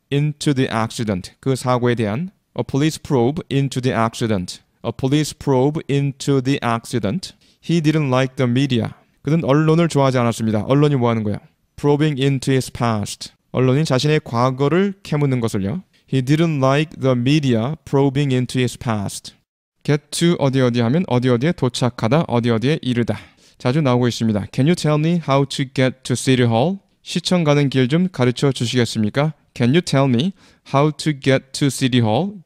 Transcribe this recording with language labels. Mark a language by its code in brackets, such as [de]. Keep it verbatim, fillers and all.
[en] into the accident, [ko] 그 사고에 대한. [en] A police probe into the accident. A police probe into the accident. He didn't like the media. [ko] 그는 언론을 좋아하지 않았습니다. 언론이 뭐 하는 거야? [en] Probing into his past. [ko] 언론인 자신의 과거를 캐묻는 것을요. [en] He didn't like the media probing into his past. [ko] Get to 어디 어디 하면 어디 어디에 도착하다, 어디 어디에 이르다. 자주 나오고 있습니다. [en] Can you tell me how to get to City Hall? [ko] 시청 가는 길 좀 가르쳐 주시겠습니까? [en] Can you tell me how to get to City Hall?